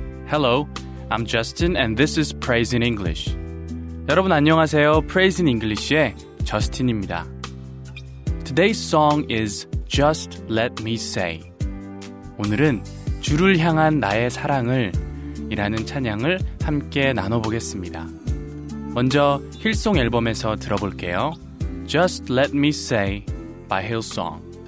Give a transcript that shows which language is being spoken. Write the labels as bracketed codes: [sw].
[en] Hello, I'm Justin and this is Praise in English. [ko] 여러분 안녕하세요. [en] Praise in English [ko] 의 저스틴입니다. [en] Today's song is Just Let Me Say. [ko] 오늘은 주를 향한 나의 사랑을 이라는 찬양을 함께 나눠보겠습니다. 먼저 힐송 앨범에서 들어볼게요. [en] Just Let Me Say by Hillsong.